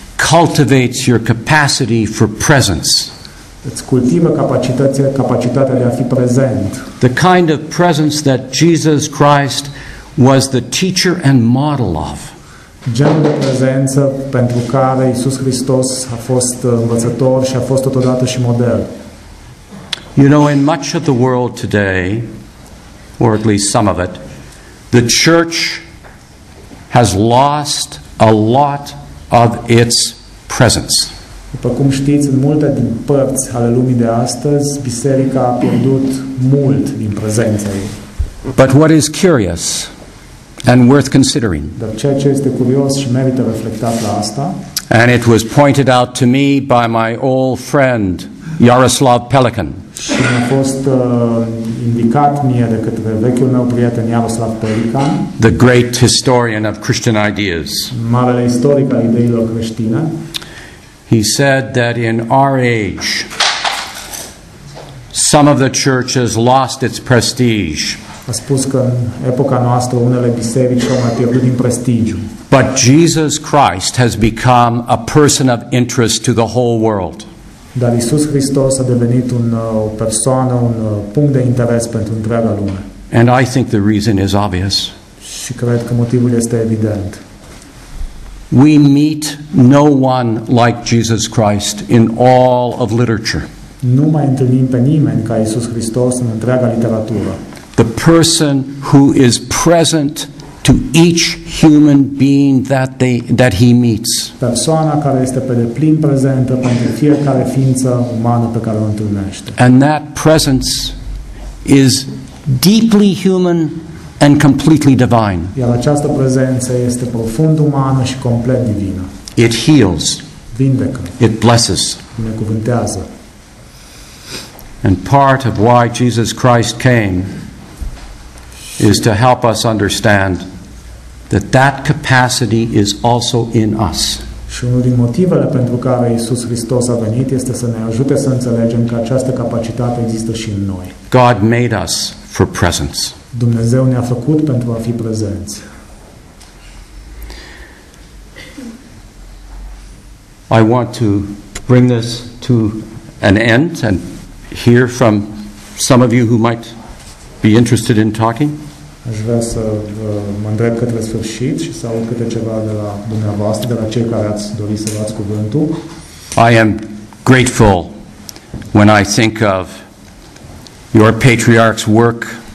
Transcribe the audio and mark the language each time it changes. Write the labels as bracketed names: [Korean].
[English] Cultivates your capacity for presence. [Romanian] Îți cultivă capacitatea de a fi prezent. [English] The kind of presence that Jesus Christ was the teacher and model of. [Romanian] Genul de prezență pentru care Iisus Hristos a fost învățător și a fost totodată și model. [English] You know, in much of the world today, or at least some of it, the church has lost a lot of its presence. [Romanian] După cum știți, în multe din părți ale lumii de astăzi, biserica a pierdut mult din prezența ei. [English] But what is curious and worth considering, [Romanian] dar ceea ce este curios și merită reflectat la asta, [English] and it was pointed out to me by my old friend Yaroslav Pelikan. [Romanian] Și mi-a fost indicat mie de către vechiul meu prieten Yaroslav Pelikan, [English] the great historian of Christian ideas. [Romanian] Marele istoric al ideilor creștine. [English] He said that in our age some of the church has lost its prestige. [Romanian] A spus că în epoca noastră unele biserici au mai pierdut din prestigiu. [English] But Jesus Christ has become a person of interest to the whole world. [Romanian] Dar Iisus Hristos a devenit o persoană, un punct de interes pentru întreaga lume. [English] And I think the reason is obvious. [Romanian] Și cred că motivul este evident. [English] We meet no one like Jesus Christ in all of literature. [Romanian] Nu mai întâlnim pe nimeni ca Iisus Hristos în întreaga literatură. [English] The person who is present to each human being that he meets. [Romanian] Persoana care este pe deplin prezentă pentru fiecare ființă umană pe care o întâlnește. [English] And that presence is deeply human and completely divine. [Romanian] Iar această prezență este profund umană și complet divină. [English] It heals. [Romanian] Vindecă. [English] It blesses. [Romanian] Binecuvântează. [English] And part of why Jesus Christ came is to help us understand that capacity is also in us. [Romanian] Și unul din motivele pentru care Iisus Hristos a venit este să ne ajute să înțelegem că această capacitate există și în noi. [English] God made us for presence. [Romanian] Dumnezeu ne-a făcut pentru a fi prezenți. [English] I want to bring this to an end and hear from some of you who might be interested in talking. [Romanian] Aș vrea să mă îndrept către sfârșit și să aud câte ceva de la dumneavoastră, de la cei care ați dori să luați cuvântul. [English] I am grateful when I think of your patriarch's work.